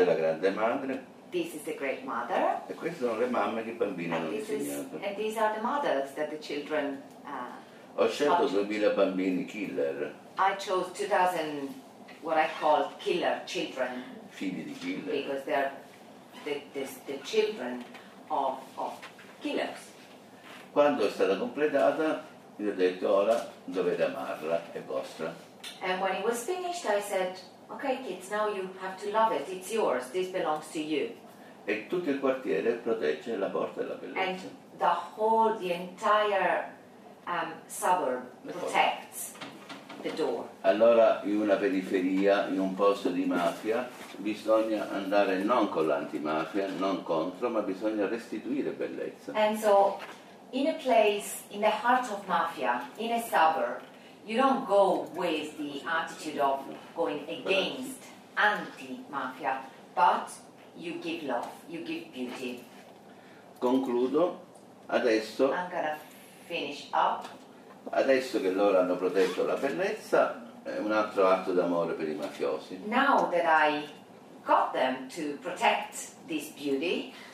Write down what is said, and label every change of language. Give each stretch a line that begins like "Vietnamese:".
Italian: Questa è la grande madre.
English: This is the great mother.
Italian: E queste sono le mamme che i bambini hanno disegnato.
English: And these are the mothers that the children.
Italian: Ho scelto 2000 bambini killer.
English: I chose 2000 what I call killer children.
Italian: Figli di killer.
English: Because they are the children of killers.
Italian: Quando è stata completata, gli ho detto ora dovete amarla, è vostra.
English: And when it was finished, I said, okay, kids, now you have to love it. It's yours. This belongs to you.
Italian: E tutto il quartiere protegge la porta della bellezza.
English: And the entire suburb protects the door.
Italian: Allora, in una periferia, in un posto di mafia, bisogna andare non con l'antimafia, non contro, ma bisogna restituire bellezza.
English: And so, in a place, in the heart of mafia, in a suburb, you don't go with the attitude of going against anti-mafia, but you give love, you give beauty.
Italian: Concludo, adesso.
English: I'm gonna finish up.
Italian: Adesso che loro hanno protetto la bellezza, è un altro atto d'amore per i mafiosi.
English: Now that I got them to protect this beauty.